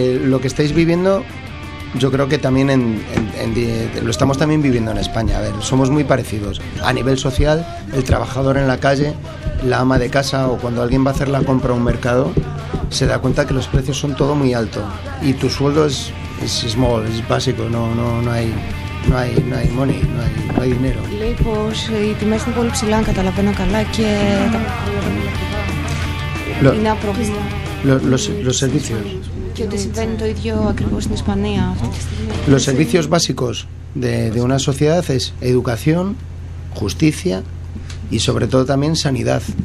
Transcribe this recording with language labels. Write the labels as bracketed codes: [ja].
[es] Lo que estáis viviendo, yo creo que también lo estamos también viviendo en España. A ver, somos muy parecidos a nivel social. El trabajador en la calle, la ama de casa o cuando alguien va a hacer la compra a un mercado, se da cuenta que los precios son todo muy alto y tu sueldo es small, es básico. No hay dinero. [el] Λέει πως οι τιμές είναι πολύ ψηλά, αν καταλαβαίνω καλά, και είναι απρόβλημα. [es] Los servicios. [el] Και ότι συμβαίνει το ίδιο ακριβώς στην Ισπανία αυτή τη στιγμή. [es] Los servicios básicos de una sociedad es educación, justicia y sobre todo también sanidad.